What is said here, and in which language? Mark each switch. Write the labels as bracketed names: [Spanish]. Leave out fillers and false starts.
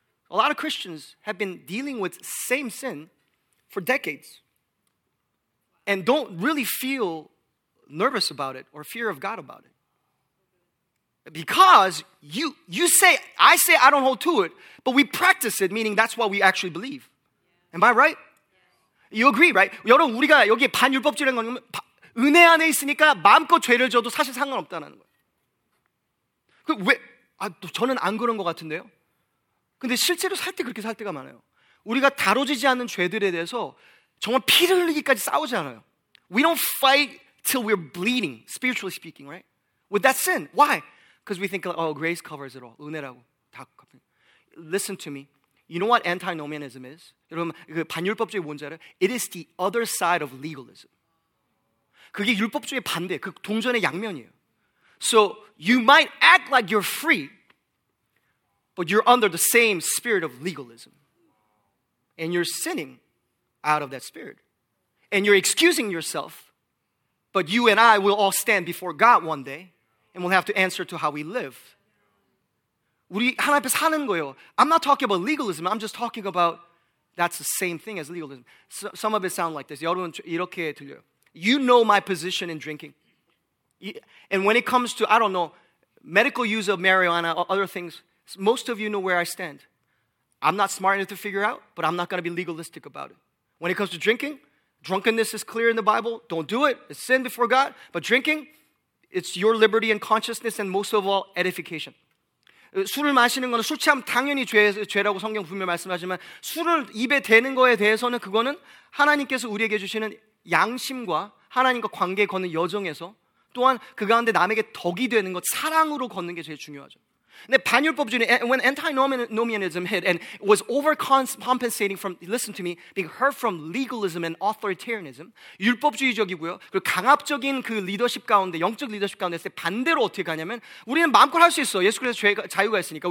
[English] A lot of Christians have been dealing with same sin for decades and don't really feel nervous about it or fear of God about it. Because I say I don't hold to it, but we practice it, meaning that's what we actually believe. Am I right? You agree, right? [Korean] 여러분, 우리가 여기 반율법적인 건 은혜 안에 있으니까 마음껏 죄를 져도 사실 상관없다는 거예요. 왜? 아, 저는 안 그런 것 같은데요. 근데 실제로 살 때 그렇게 살 때가 많아요. 우리가 다뤄지지 않는 죄들에 대해서 정말 피를 흘리기까지 싸우지 않아요. [English] We don't fight till we're bleeding, spiritually speaking, right? With that sin. Why? Because we think, oh, grace covers it all. [Korean] 은혜라고. [English] Listen to me. You know what antinomianism is? [Korean] 여러분, 그 반율법주의 뭔지 알아요? [English] It is the other side of legalism. [Korean] 그게 율법주의 반대, 그 동전의 양면이에요. [English] So you might act like you're free, but you're under the same spirit of legalism. And you're sinning out of that spirit. And you're excusing yourself, but you and I will all stand before God one day, and we'll have to answer to how we live. [Korean] 우리 하나님 앞에 사는 거예요. [English] I'm not talking about legalism. I'm just talking about that's the same thing as legalism. So, some of it sound like this. [Korean] 여러분 이렇게 들려요. [English] You know my position in drinking. And when it comes to, I don't know, medical use of marijuana or other things, most of you know where I stand. I'm not smart enough to figure out, but I'm not going to be legalistic about it. When it comes to drinking, drunkenness is clear in the Bible. Don't do it. It's sin before God. But drinking, it's your liberty and consciousness and most of all, edification. [Korean] 술을 마시는 거는 술 취함 당연히 죄라고 성경 분명히 말씀하지만 술을 입에 대는 거에 대해서는 그거는 하나님께서 우리에게 주시는 양심과 하나님과 관계 거는 여정에서 또한 그 가운데 남에게 덕이 되는 것 사랑으로 걷는 게 제일 중요하죠. 근데 반율법주의, [English] when antinomianism hit and was overcompensating from, listen to me, being hurt from legalism and authoritarianism, [Korean] 율법주의적이고요. 그리고 강압적인 그 리더십 가운데, 영적 리더십 가운데 반대로 어떻게 가냐면 우리는 마음껏 할 수 있어. 예수 그리스도 자유가 있으니까.